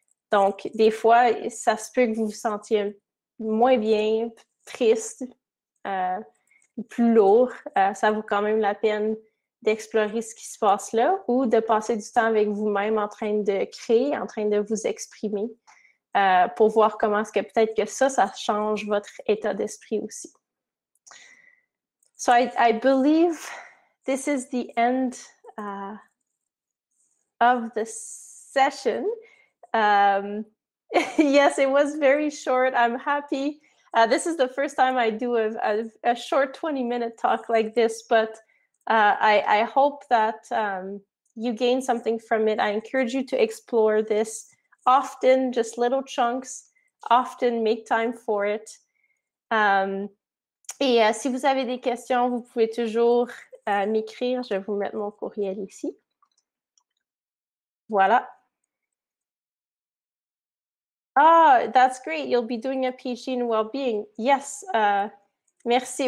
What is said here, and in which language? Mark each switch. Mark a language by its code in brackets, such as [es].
[fr] Donc, des fois, ça se peut que vous vous sentiez moins bien, triste, plus lourd. Ça vaut quand même la peine d'explorer ce qui se passe là ou de passer du temps avec vous-même en train de créer, en train de vous exprimer pour voir comment est-ce que peut-être que ça change votre état d'esprit aussi. [en] So I believe this is the end of the session. Yes, it was very short. I'm happy. This is the first time I do a short 20-minute talk like this, but I hope that you gain something from it. I encourage you to explore this often, just little chunks, often make time for it. [fr] Si vous avez des questions, vous pouvez toujours m'écrire. Je vais vous mettre mon courriel ici. Voilà. [en] Oh, that's great. You'll be doing a PhD in well-being. Yes. [fr] Merci.